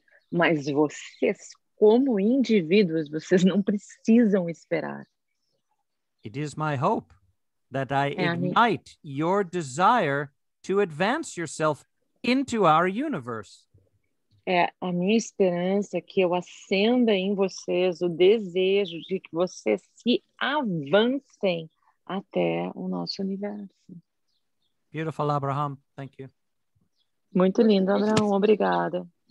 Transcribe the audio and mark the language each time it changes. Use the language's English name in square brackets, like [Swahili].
[Portuguese] Mas vocês, como indivíduos, vocês não precisam esperar. [English] It is my hope that I ignite your desire to advance yourself into our universe. [Portuguese] É a minha esperança que eu acenda em vocês o desejo de que vocês se avancem até o nosso universo. [English] Beautiful, Abraham. Thank you. [Portuguese] Muito lindo, Abraham. Obrigada.